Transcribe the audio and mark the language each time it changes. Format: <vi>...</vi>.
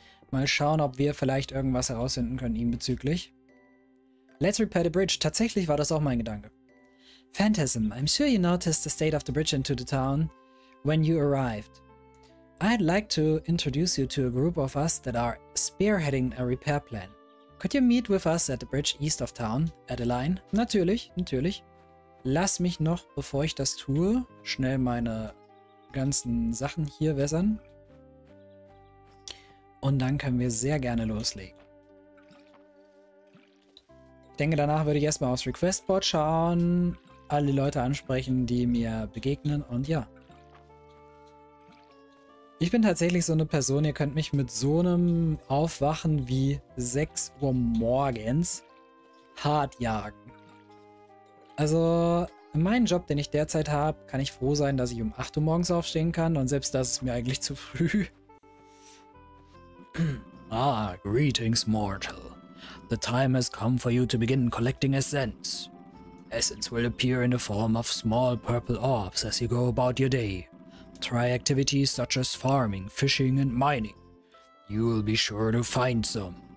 <de>Mal schauen, ob wir vielleicht irgendwas herausfinden können, ihm bezüglich.</de> <en>Let's repair the bridge.</en> <de>Tatsächlich war das auch mein Gedanke.</de> <en>Phantasm, I'm sure you noticed the state of the bridge into the town when you arrived. I'd like to introduce you to a group of us that are spearheading a repair plan. Could you meet with us at the bridge east of town, Adeline?</en> <de>Natürlich, natürlich. Lass mich noch, bevor ich das tue, schnell meine ganzen Sachen hier wässern. Und dann können wir sehr gerne loslegen. Ich denke, danach würde ich erstmal aufs Requestboard schauen, alle Leute ansprechen, die mir begegnen und ja. Ich bin tatsächlich so eine Person, ihr könnt mich mit so einem Aufwachen wie 6 Uhr morgens hart jagen. Also, mein Job, den ich derzeit habe, kann ich froh sein, dass ich um 8 Uhr morgens aufstehen kann und selbst das ist mir eigentlich zu früh.</de> <en>Ah, greetings, mortal. The time has come for you to begin collecting essence. Essence will appear in the form of small purple orbs as you go about your day. Try activities such as farming, fishing and mining. You will be sure to find some.</en>